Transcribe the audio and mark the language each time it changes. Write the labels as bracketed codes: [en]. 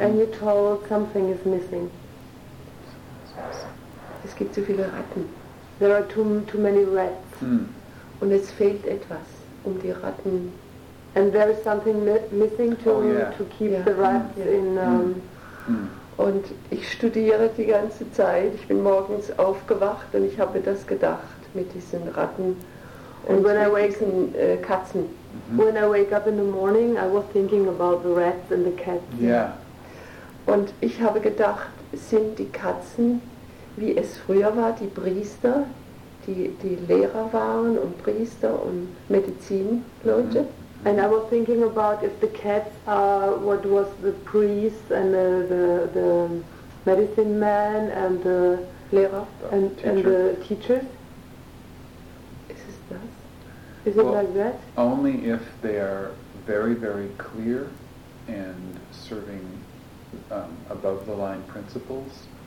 [en] and you told something is missing. [de] Es gibt zu viele Ratten. [en] There are too many rats. Mm. [de] Und es fehlt etwas, um die Ratten. [en] And there is something missing to keep the rats in. [de] Und ich studiere die ganze Zeit. Ich bin morgens aufgewacht und ich habe das gedacht mit diesen Ratten. [en] And when I wake in Katzen. Mm-hmm. When I wake up in the morning, I was thinking about the rats and the cats. Yeah. [de] Und ich habe gedacht, sind die Katzen, wie es früher war, die Priester, die Lehrer waren und Priester und Medizinleute. Mm-hmm. [en] And I was thinking about if the cats are what was the priest and the medicine man and the [de] Lehrer [en] and the teachers. Is this that? Is it like that? Only if they are very, very clear and serving above the line principles.